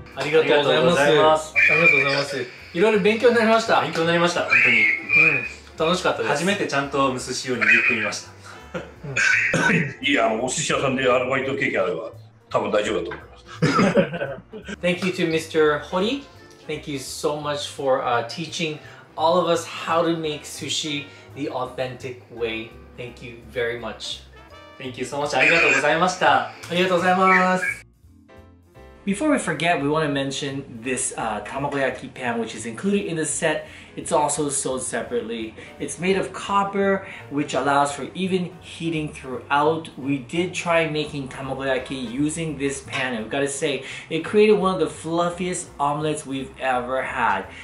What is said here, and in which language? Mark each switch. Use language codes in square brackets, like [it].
[ja] ありがとうございます。ありがとうございます。いろいろ勉強になりました。勉強になりました。本当に。うん、楽しかったです。初めてちゃんとむすしを握ってみました。いや、お寿司屋さんでアルバイト経験あれば多分大丈夫だと思います。 [en] Thank you to Mr. Hori. Thank you so much for、teaching all of us how to make sushi the authentic way. Thank you very much. Thank you so much. [ja] ありがとうございました。ありがとうございます。 [en] Before we forget, we want to mention this tamagoyaki pan, which is included in the set. It's also sold separately. It's made of copper, which allows for even heating throughout. We did try making tamagoyaki using this pan, and we've got to say, it created one of the fluffiest omelets we've ever had.